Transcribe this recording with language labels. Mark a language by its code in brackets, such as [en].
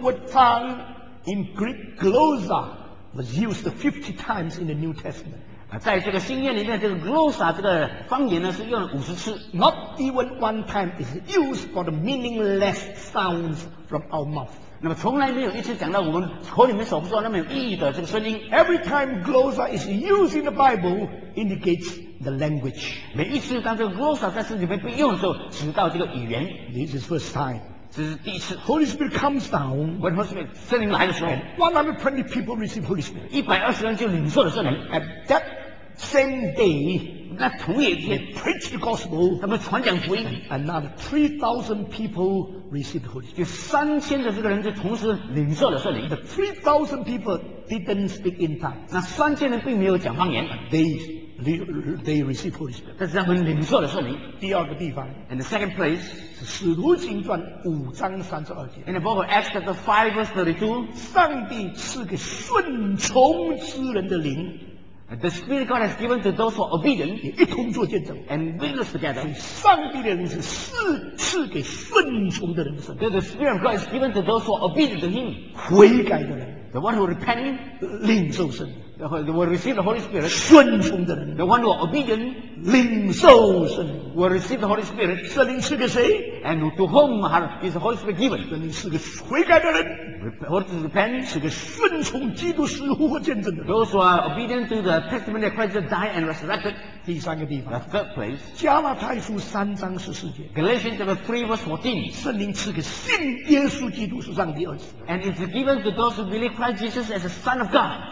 [en] word tongue in Greek, glossa, was used 50 times in the New Testament. [zh] 在这个新约里面，这个 glossa 这个方言呢，是用了50次。 [en] Not even one time is used for the meaningless sounds from our mouth. [zh] 那么从来没有一次讲到我们口里面所不说那么有意义的这个声音。 [en] Every time glossa is used in the Bible, indicates the language. [zh] 每一次当这个 glossa 在圣经里面被用的时候，指到这个语言。 [en] This is first time. [zh] 这是第一次。 [en] Holy Spirit comes down. When Holy Spirit [zh] 圣灵来的时候， [en] 120 people receive Holy Spirit. [zh] 120人就领受了圣灵。 [en] At that same day, [zh] 那同一天, [en] they preach the gospel. [zh] 他们传讲福音, [en] another 3,000 people received Holy Spirit. [zh] 3,000的这个人就同时领受了圣灵。 [en] The 3,000 people didn't speak in tongues. [zh] 那3,000人并没有讲方言。 [en] They received Holy Spirit. [zh] 但是他们领受了圣灵。第二个地方, [en] and the second place, [zh] 使徒行传5:32. [en] In the book of Acts, chapter 5:32, [zh] 上帝赐给顺从之人的灵。 [en] The Spirit God has given to those who are obedient, [zh] 也一同做见证, [en] and witness together. [zh] 上帝的灵是赐给顺从的人的圣灵。 [en] So the Spirit of God is given to those who are obedient to Him. [zh] 悔改的人, [en] the one who repent, [zh] 领受圣灵。 [en] The one who receive the Holy Spirit, [zh] 顺从的人, [en] the one who are obedient, [zh] 领受圣灵, [en] will receive the Holy Spirit. [zh] 圣灵赐给谁? [en] And to whom is the Holy Spirit given? [zh] 圣灵赐给悔改的人, [en] or to repent, [zh] 是个顺从基督死复活见证的人, [en] those who are obedient to the testimony that Christ died and resurrected. [zh] 第三个地方, [en] the third place, [zh] 加拉太书3:14, [en] Galatians 3:14, [zh] 圣灵赐给信耶稣基督是上帝儿子, [en] and it's given to those who believe Christ Jesus as the Son of God.